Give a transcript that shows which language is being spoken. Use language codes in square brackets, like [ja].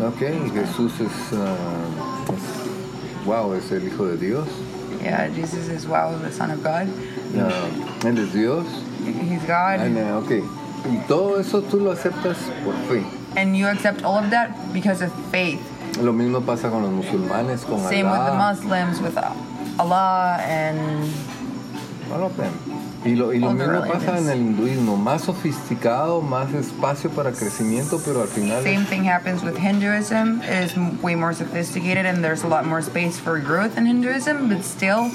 [es] Okay, Jesús es, es el Hijo de Dios. [en] Yeah, Jesus is, the Son of God. [es] Él es Dios. [en] He's God. Okay. [es] Y todo eso tú lo aceptas por fe. [en] And you accept all of that because of faith. [es] Lo mismo pasa con los musulmanes, con [en] Allah. Same with the Muslims, with Allah and all of them. [es] Y lo mismo pasa en el hinduismo. Más sofisticado, más espacio para crecimiento, pero al final [en] same thing happens with Hinduism. It is way more sophisticated and there's a lot more space for growth in Hinduism, but still